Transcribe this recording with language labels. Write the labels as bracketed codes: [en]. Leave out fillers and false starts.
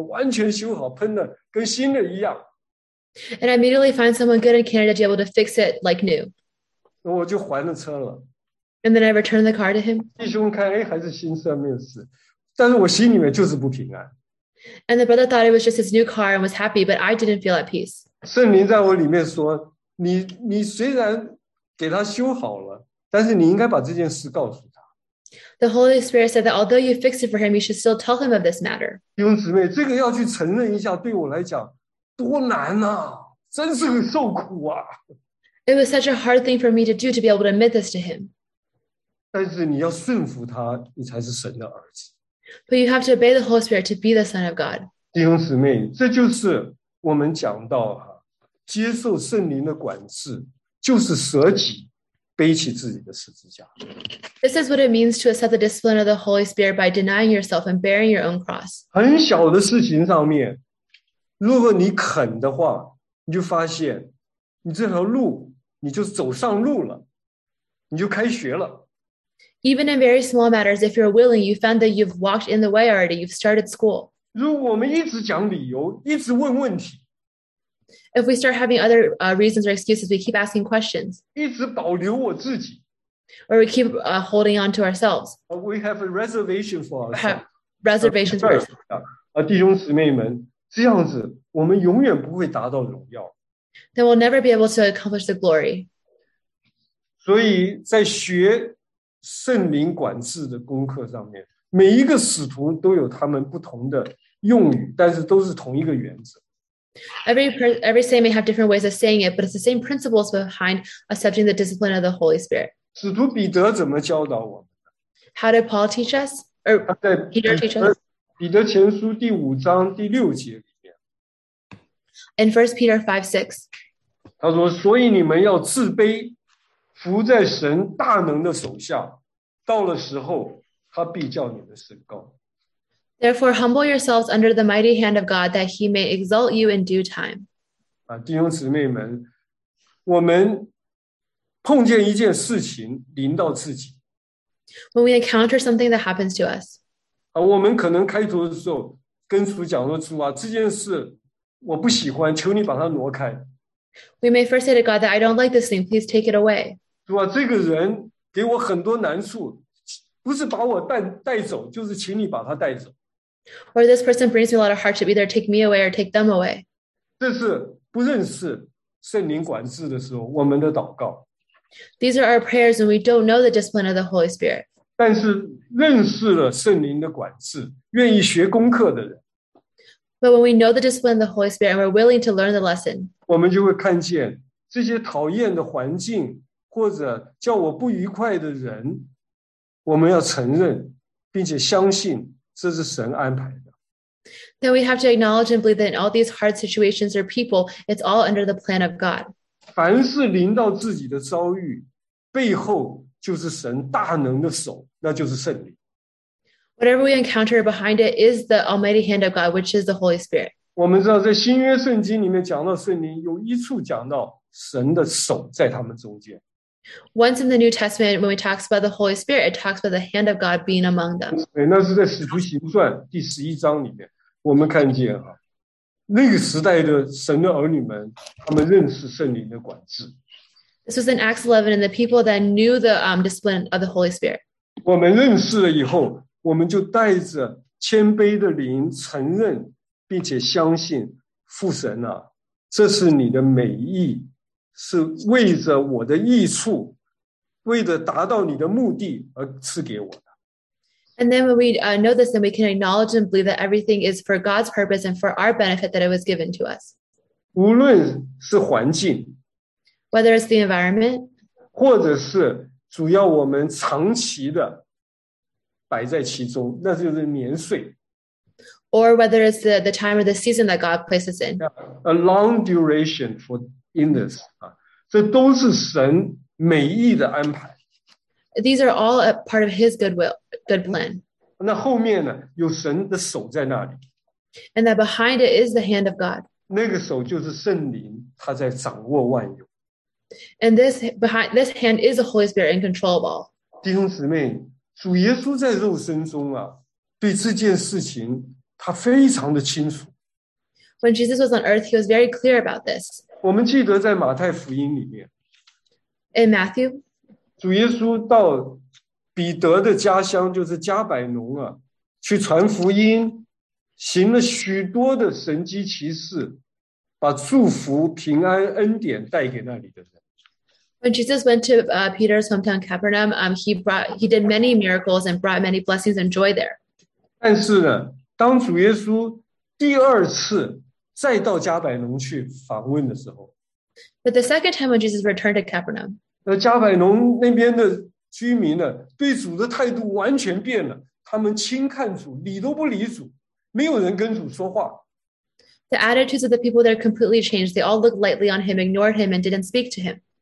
[zh] 那么我就立刻找人了，在加拿大找一个好的修车公司，帮我把他那个地方完全修好，喷的跟新的一样。 [en] And I immediately find someone good in Canada to be able to fix it like new. [zh] 我就还了车了。 [en] And then I returned the car to him. [zh] 弟兄看，哎，还是新车没有事，但是我心里面就是不平安。 [en] And the brother thought it was just his new car and was happy, but I didn't feel at peace. [zh] 圣灵在我里面说，你虽然给他修好了，但是你应该把这件事告诉他。 [en] The Holy Spirit said that although you fixed it for him, you should still tell him of this matter. [zh] 弟兄姊妹，这个要去承认一下，对我来讲多难啊，真是很受苦啊。 [en] It was such a hard thing for me to do to be able to admit this to him. [zh] 但是你要顺服他，你才是神的儿子。 [en] But you have to obey the Holy Spirit to be the Son of God. [zh] 弟兄姊妹，这就是我们讲到啊，接受圣灵的管制，就是舍己。背起自己的十字架。 [en] This is what it means to accept the discipline of the Holy Spirit by denying yourself and bearing your own cross. [zh] 很小的事情上面，如果你肯的话，你就发现，你这条路，你就走上路了，你就开学了。 [en] Even in very small matters, if you're willing, you found that you've walked in the way already, you've started school. [zh] 如果我们一直讲理由，一直问问题。 [en] If we start having other reasons or excuses, we keep asking questions. [zh] 一直保留我自己。 [en] Or we keep holding on to ourselves. We have a reservation for ourselves. Reservations for ourselves. [zh] 弟兄姊妹们，这样子我们永远不会达到荣耀。 [en] Then we'll never be able to accomplish the glory. [zh] 所以在学圣灵管制的功课上面，每一个使徒都有他们不同的用语，但是都是同一个原则。 [en] Every saint may have different ways of saying it, but it's the same principles behind accepting the discipline of the Holy Spirit. [zh] 使徒彼得怎么教导我们？ [en] How did Paul teach us? Or Peter teach us? [zh] 彼得前书第五章第六节里面。 [en] In 1 Peter 5:6. [zh] 他说，所以你们要自卑，伏在神大能的手下，到了时候，他必叫你们升高。 [en] Therefore, humble yourselves under the mighty hand of God, that he may exalt you in due time. [zh] 啊，弟兄姊妹们，我们碰见一件事情临到自己。 [en] When we encounter something that happens to us. [zh] 啊，我们可能开头的时候跟主讲说，主啊，这件事我不喜欢，求你把它挪开。 [en] We may first say to God that I don't like this thing, please take it away. [zh] 主啊，这个人给我很多难处。不是把我带走，就是请你把他带走。 [en] Or this person brings me a lot of hardship, either take me away or take them away. [zh] 这是不认识圣灵管制的时候，我们的祷告。 [en] These are our prayers when we don't know the discipline of the Holy Spirit. [zh] 但是认识了圣灵的管制，愿意学功课的人。 [en] But when we know the discipline of the Holy Spirit and we're willing to learn the lesson. [zh] 我们就会看见这些讨厌的环境，或者叫我不愉快的人，我们要承认并且相信这是神安排的。 [en] Then we have to acknowledge and believe that in all these hard situations or people, it's all under the plan of God. [zh] 凡是临到自己的遭遇，背后就是神大能的手，那就是圣灵。 [en] Whatever we encounter behind it is the almighty hand of God, which is the Holy Spirit. [zh] 我们知道在新约圣经里面讲到圣灵，有一处讲到神的手在他们中间。 [en] Once in the New Testament, when we talk about the Holy Spirit, it talks about the hand of God being among them. [zh] 那是在《使徒行传》第十一章里面，我们看见啊，那个时代的神的儿女们，他们认识圣灵的管制。 [en] This was in Acts 11, and the people that knew the discipline of the Holy Spirit. [zh] 我们认识了以后，我们就带着谦卑的灵承认，并且相信父神啊，这是你的美意。是为着我的益处，为着达到你的目的而赐给我的。 [en] And then when we know this, then we can acknowledge and believe that everything is for God's purpose and for our benefit that it was given to us. [zh] 无论是环境， [en] whether it's the environment, [zh] 或者是主要我们长期的摆在其中，那就是年岁。 [en] Or whether it's the time or the season that God places in. A long duration for in this. [zh] 这都是神美意的安排。 [en] These are all a part of his good plan. [zh] 那后面呢，有神的手在那里。 [en] And that behind it is the hand of God. [zh] 那个手就是圣灵，他在掌握万有。 [en] And this hand is the Holy Spirit in control of all. [zh] 弟兄姊妹，主耶稣在肉身中啊，对这件事情他非常的清楚。 [en] When Jesus was on earth, he was very clear about this. [zh] 我们记得在马太福音里面。 [en] In Matthew. [zh] 主耶稣到彼得的家乡，就是加百农啊，去传福音，行了许多的神迹奇事，把祝福、平安、恩典带给那里的人。 [en] When Jesus went to Peter's hometown, Capernaum, he did many miracles and brought many blessings and joy there. [zh] 但是呢，当主耶稣第二次再到加百农去访问的时候， [en] But the second time when Jesus returned to Capernaum, [zh] 加百农那边的居民呢，对主的态度完全变了，他们轻看主，理都不理主，没有人跟主说话。 [en] The attitudes of the people there completely changed. They all looked lightly on him, ignored him, and didn't speak to him.